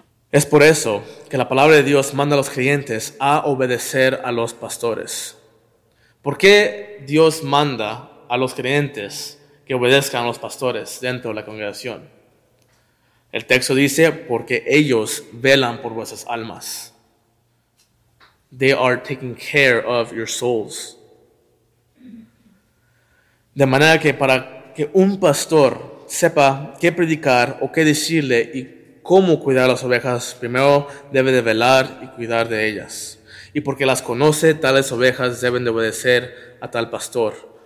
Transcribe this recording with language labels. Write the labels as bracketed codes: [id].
[es] Es por eso que la palabra de Dios manda a los creyentes a obedecer a los pastores. ¿Por qué Dios manda a los creyentes que obedezcan a los pastores dentro de la congregación? El texto dice, porque ellos velan por vuestras almas. [en] They are taking care of your souls. [es] De manera que para que un pastor sepa qué predicar o qué decirle y cómo cuidar a las ovejas, primero debe de velar y cuidar de ellas. Y porque las conoce, tales ovejas deben de obedecer a tal pastor.